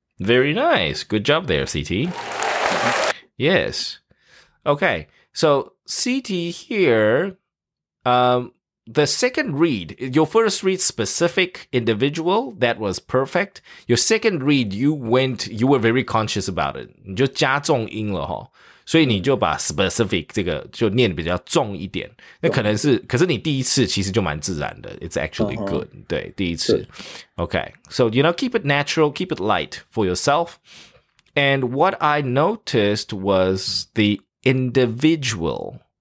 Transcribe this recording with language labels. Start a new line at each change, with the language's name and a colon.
English: Very nice. Good job there, CT. Yes. Okay. So CT here, the second read, your first read specific individual, that was perfect. Your second read, you were very conscious about it.
Chinese: 你就加重音了齁。所以你就把 specific 这个就念比较重一点。那可能是可是你第一次其实就蛮自然的。
English: It's actually good.
Chinese: 对第一次。
English: Okay. So, you know, keep it natural, keep it light for yourself. And what I noticed was the individual.